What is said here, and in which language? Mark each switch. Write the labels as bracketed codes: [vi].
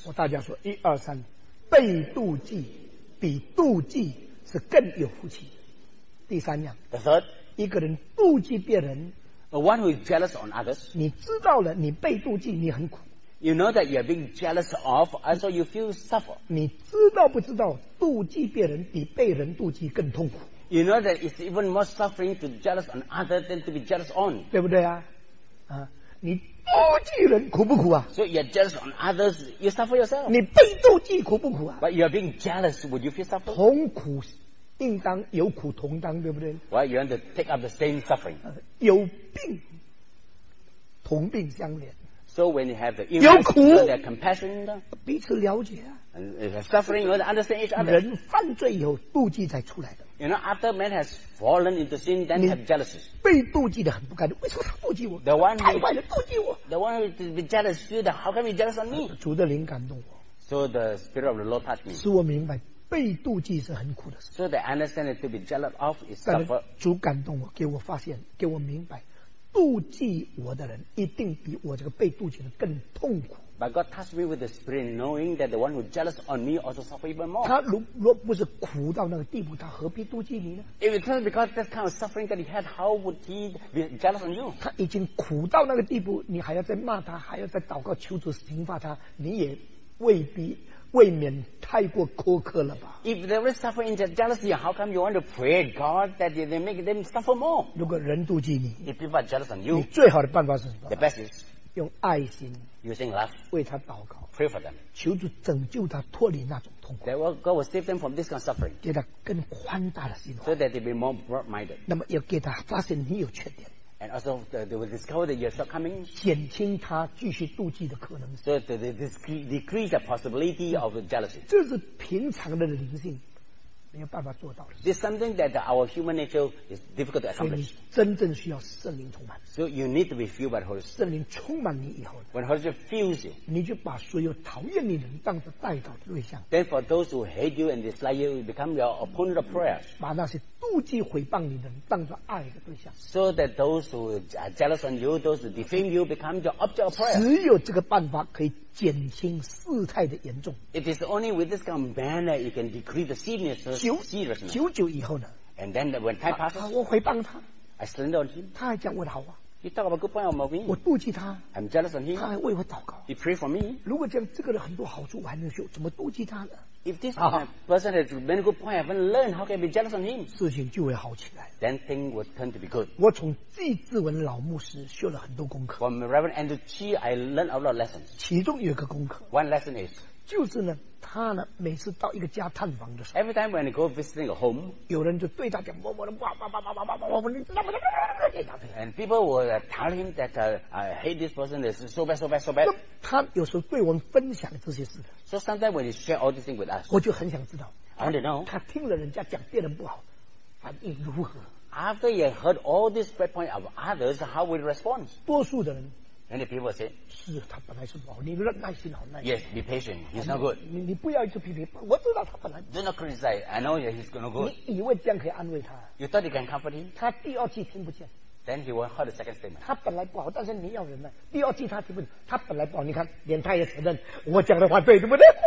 [zh] 我大家说一二三，被妒忌比妒忌是更有福气的。第三样 [en] ，The third， [zh] 一个人妒忌别人 [en] ，A one who is jealous on others， [zh] 你知道了，你被妒忌，你很苦。 [en] You know that you're being jealous of, and so you feel suffer. [zh] 你知道不知道，妒忌别人比被人妒忌更痛苦。 [en] You know that it's even more suffering to be jealous on others than to be jealous on. [zh] 对不对啊？啊，你妒忌人苦不苦啊 [en] ？So you're jealous on others, you suffer yourself. [zh] 你被妒忌苦不苦啊 [en] ？But you're being jealous, would you feel suffer? [zh] 同苦应当有苦同当，对不对 [en] ？Why you want to take up the same suffering?、 [zh] 有病同病相怜。 [en] So when you have the illness, you have the compassion. [zh] 彼此了解啊。 [en] And suffering, you understand each other. [zh] 人犯罪以后，妒忌才出来的。 [en] You know, after man has fallen into sin, then have jealousy. [zh] 被妒忌的很不甘，为什么他妒忌我？ [en] The one who, [zh] 太坏了，妒忌我。 [en] The one who is jealous, feel how can he jealous on me? [zh] 主的灵感动我。 [en] So the spirit of the Lord touched me. [zh] 使我明白被妒忌是很苦的事。 [en] So that I understand that to be jealous of is suffer. [zh] 主感动我，给我发现，给我明白，妒忌我的人一定比我这个被妒忌的更痛苦。 [en] But God touched me with the spirit, knowing that the one who jealous on me also suffer even more. [zh] 他若不是苦到那个地步，他何必妒忌你呢 [en] ？If it was because that kind of suffering that he had, how would he be jealous on you? [zh] 他已经苦到那个地步，你还要再骂他，还要再祷告求主刑罚他，你也未必未免太过苛刻了吧 [en] ？If they were suffering jealousy, how come you want to pray God that they make them suffer more? [zh] 如果人妒忌你 [en] ，If people are jealous on you, [zh] 你最好的办法是什么 [en] ？The best is. [zh] 用爱心 [en] using love [zh] 为他祷告 [en] pray for them [zh] 求主拯救他脱离那种痛苦 [en] that God will save them from this kind of suffering [zh] 给他更宽大的心 [en] so that they be more broad-minded [zh] 那么要给他发现你有缺点 [en] and also they will discover that your shortcoming [zh] 减轻他继续妒忌的可能 [en] so that they decrease the possibility of jealousy [zh] 这是平常的灵性没有办法做到的 [en] this is something that our human nature is difficult to accomplish [zh] 所以你真正需要圣灵充满 [en] so you need to be filled by the Holy Spirit [zh] 圣灵充满你以后 [en] when Holy Spirit fills you [zh] 你就把所有讨厌你的人当作代祷的对象 [en] then for those who hate you and dislike you become your opponent of prayer [zh] 把那些妒忌毁谤你的人当作爱的对象 [en] so that those who are jealous on you those who defame you become your object of prayer [zh] 只有这个办法可以减轻事态的严重 [en] it is only with this kind of manner you can decrease the seriousness [zh] 久久以后呢 [en] and then when time passes [zh] 我回谤他 [en] I slander on him [zh] 他还讲我的好话 [en] he talk about good point about me [zh] 我妒忌他 [en] I'm jealous on him [zh] 他还为我祷告 [en] he pray for me [zh] 如果这样这个人很多好处我还能修怎么妒忌他呢 [en] if this person has many good points I haven't learned how can I be jealous on him [zh] 事情就会好起来 [en] then things will turn to be good [zh] 我从季志文老牧师修了很多功课 [en] from Reverend Andrew Chi I learned a lot of lessons [zh] 其中有一个功课 [en] one lesson is [zh] 就是呢他呢每次到一个家探访的时候 [en] every time when you go visiting a home [zh] 有人就对他讲哇哇哇哇哇哇哇哇哇哇哇哇哇哇哇哇哇哇哇哇 [en] and people will tell him that I hate this person is so bad so bad so bad [zh] 他有时候对我们分享这些事 [en] so sometimes when you share all these things with us [zh] 我就很想知道 [en] I want to know [zh] 他听了人家讲别人不好反应如何 [en] after you heard all this bad point of others how will you respond [zh] 多数的人 [en] And the people say, [zh] 是他本来是不好，你忍耐心好耐心。 [en] Yes, be patient. He's not good. [zh] 你不要一直批评，我知道他本来。 [en] Do not criticize. I know he's gonna go. [zh] 你以为这样可以安慰他 [en] ？You thought you can comfort him? [zh] 他第二句听不见。 [en] Then he won't hear the second statement. [zh] 他本来不好，但是你要忍耐。第二句他听不见，他本来不好，你看连他也承认我讲的话对，对不对